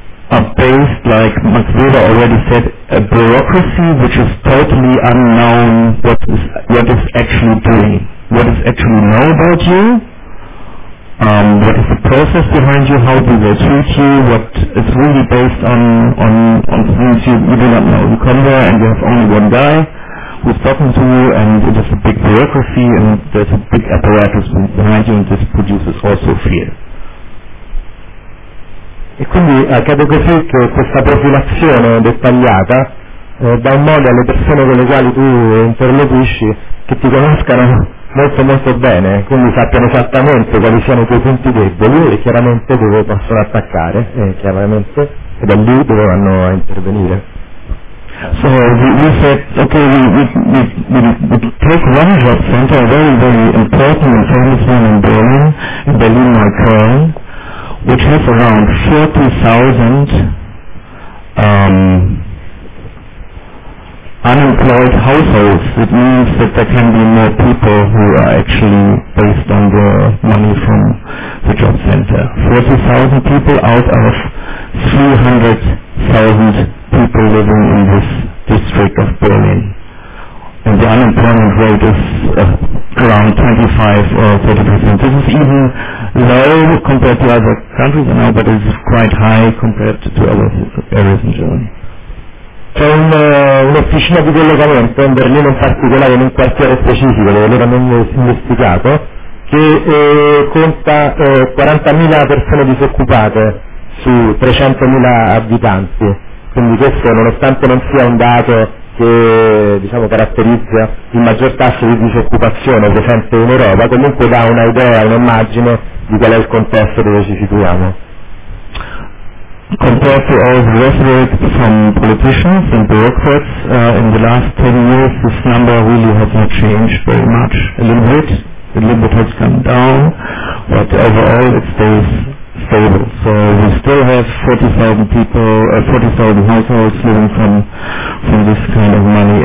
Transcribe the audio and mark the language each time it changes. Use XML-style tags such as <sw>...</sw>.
<en>are based, like Max Weber already said, a bureaucracy which is totally unknown what is actually doing, what is actually known about you, what is the process behind you, how do they treat you, what is really based on things you do not know. You come there and you have only one guy who's talking to you, and it is a big bureaucracy, and there's a big apparatus behind you, and this produces also fear.</en> <it>E quindi accade così che questa profilazione dettagliata dà un modo alle persone con le quali tu interloquisci che ti conoscano molto molto bene, quindi sappiano esattamente quali siano i tuoi punti deboli e chiaramente dove possono attaccare, chiaramente, e da lì dove vanno a intervenire.</it> <en>So we said, okay, we take one job center, a very, very important and famous one in Berlin, Neukölln, which has around 40,000 unemployed households. It means that there can be more people who are actually based on the money from the job center. 40,000 people out of 300,000 people living in this district of Berlin, and the unemployment rate is around 25 or 30%. This is even low compared to other countries now, but it's quite high compared to other areas in Germany.</en> <it>C'è un'officina di collegamento in Berlino in particolare, in un quartiere specifico dove loro hanno investigato, che conta 40.000 persone disoccupate su 300.000 abitanti. Quindi questo, nonostante non sia un dato che, diciamo, caratterizza il maggior tasso di disoccupazione presente in Europa, comunque dà un'idea, un'immagine di qual è il contesto dove ci situiamo.</it> <en>Compared to all the rhetoric from politicians and bureaucrats in the last 10 years, this number really has not changed very much. A little bit has come down, but overall it stays stable. So we still have 40,000 people, 40,000 households living from this kind of money.</en>